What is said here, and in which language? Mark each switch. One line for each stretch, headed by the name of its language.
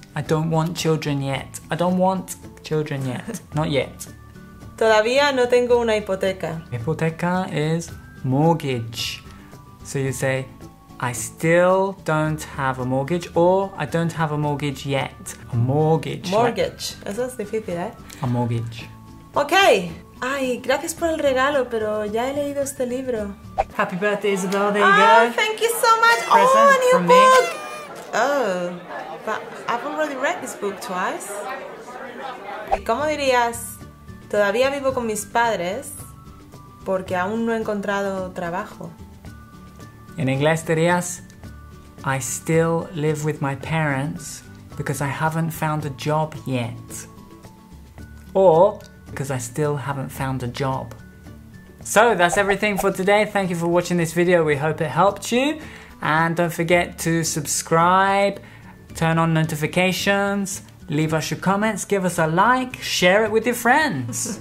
English: I don't want children yet. I don't want children yet. Not yet.
Spanish: Todavía no tengo una hipoteca.
English: Hipoteca is mortgage. So you say, I still don't have a mortgage, or I don't have a mortgage yet. A mortgage.
Spanish: Mortgage. Like, eso es difícil, ¿eh?
English: A mortgage. Okay.
Spanish: Ay, gracias por el regalo, pero ya he leído este libro.
English: Happy birthday, Isabel. There you go. Oh, thank you so much. Present, oh, a new from book. Me. Oh, but I've already read this book twice.
Spanish: ¿Cómo dirías? Todavía vivo con mis padres porque aún no he encontrado trabajo.
English: In English,
Spanish: dirías,
English: I still live with my parents because I haven't found a job yet. Or, because I still haven't found a job. So, that's everything for today. Thank you for watching this video. We hope it helped you. And don't forget to subscribe, turn on notifications, leave us your comments, give us a like, share it with your friends.